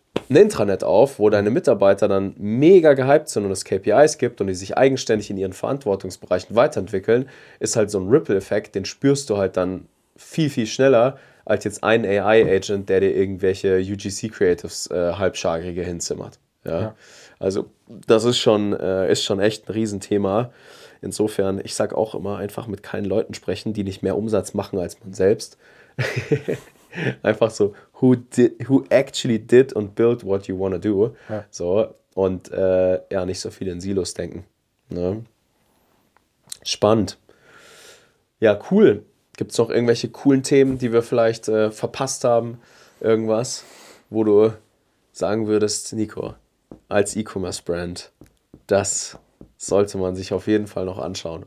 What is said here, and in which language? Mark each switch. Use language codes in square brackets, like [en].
[de] ein Intranet auf, wo deine Mitarbeiter dann mega gehypt sind und es KPIs gibt und die sich eigenständig in ihren Verantwortungsbereichen weiterentwickeln, ist halt so ein Ripple-Effekt, den spürst du halt dann viel, viel schneller als jetzt ein AI-Agent, der dir irgendwelche UGC-Creatives halbscharige hinzimmert. Ja? Ja. Also das ist schon echt ein Riesenthema. Insofern, ich sage auch immer, einfach mit keinen Leuten sprechen, die nicht mehr Umsatz machen als man selbst. Einfach so, [en] who actually did and built what you wanna do. [de] Ja. So, und ja, nicht so viel in Silos denken. Ne? Spannend. Ja, cool. Gibt es noch irgendwelche coolen Themen, die wir vielleicht verpasst haben? Irgendwas, wo du sagen würdest, Nico, als E-Commerce-Brand, das sollte man sich auf jeden Fall noch anschauen.